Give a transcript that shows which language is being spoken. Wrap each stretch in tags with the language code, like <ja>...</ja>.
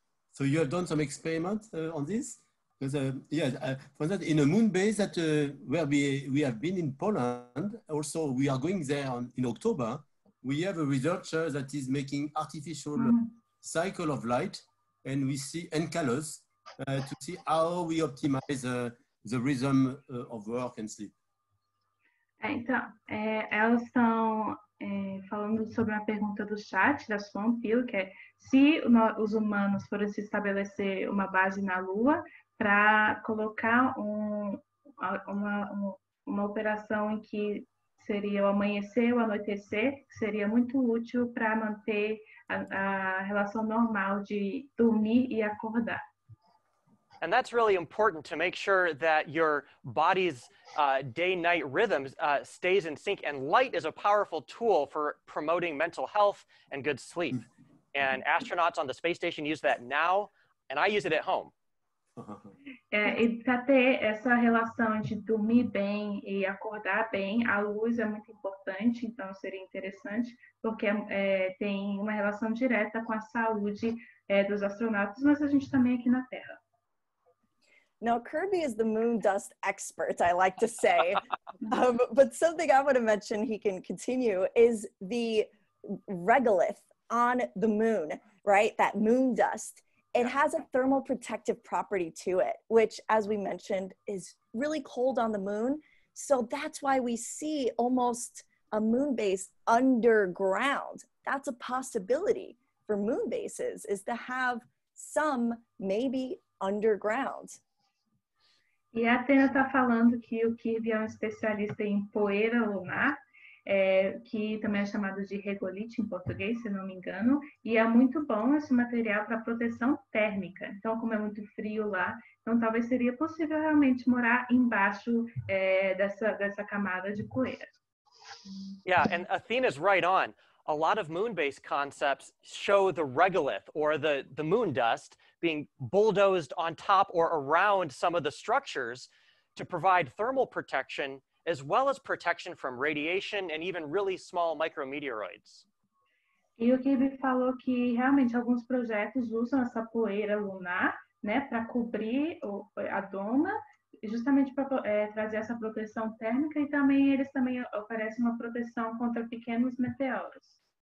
<en>So you have done some experiments on this? Because, for that, in a moon base that where we have been in Poland, also we are going there in October we have a researcher that is making artificial cycle of light, and we see Enceladus to see how we optimize the rhythm of work and sleep.</en> <pt>Então, elas estão falando sobre uma pergunta do chat, da Swampil, que é se os humanos foram se estabelecer uma base na Lua para colocar uma operação em que seria o amanhecer, o anoitecer, seria muito útil para manter a relação normal de dormir e acordar.</pt> <en>And that's really important to make sure that your body's day-night rhythm stays in sync. And light is a powerful tool for promoting mental health and good sleep. And astronauts on the space station use that now, and I use it at home.</en> <pt>E para ter essa relação de dormir bem e acordar bem, a luz é muito importante, então seria interessante, porque tem uma relação direta com a saúde dos astronautas, mas a gente também aqui na Terra.</pt> <en>Now, Kirby is the moon dust expert, I like to say, but something I want to mention, he can continue, is the regolith on the moon, right? That moon dust. It has a thermal protective property to it, which, as we mentioned, is really cold on the moon. So that's why we see almost a moon base underground. That's a possibility for moon bases, is to have some maybe underground.</en> <pt>E a Athena está falando que o Kirby é um especialista em poeira lunar, que também é chamado de regolite em português, se não me engano, e é muito bom esse material para proteção térmica. Então, como é muito frio lá, então talvez seria possível realmente morar embaixo dessa camada de poeira.</pt> <en>Yeah, and Athena's right on. A lot of moon-based concepts show the regolith, or the moon dust, being bulldozed on top or around some of the structures to provide thermal protection, as well as protection from radiation and even really small micrometeoroids.</en> <pt>E o Kirby falou que realmente alguns projetos usam essa poeira lunar, né, para cobrir a doma, justamente para trazer essa proteção térmica, e também eles também oferecem uma proteção contra pequenos meteoros.</pt>